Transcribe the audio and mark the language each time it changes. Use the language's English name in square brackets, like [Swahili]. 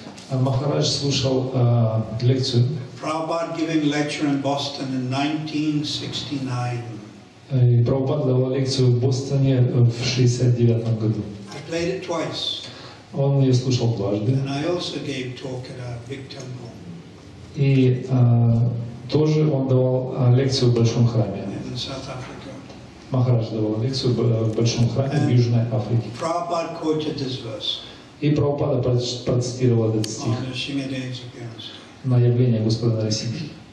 [Russian] Махарадж слушал лекцию. [English] Prabhupada giving lecture in Boston in 1969. [Russian] Прабхупада давал лекцию в Бостоне в 69 году. [English] I played it twice. [Russian] Он ее слушал дважды. [English] And I also gave talk at our big temple. [Russian] И тоже он давал лекцию в Большом храме. [English] In South Africa. [Russian] Махарадж давал лекцию в Большом храме [English] And [Russian] в Южной Африке. [English] Prabhupada quoted this verse. [Russian] И Прабхупада процитировал этот стих [English] on the appearance. [Russian] На явление Господа Нарасимхи.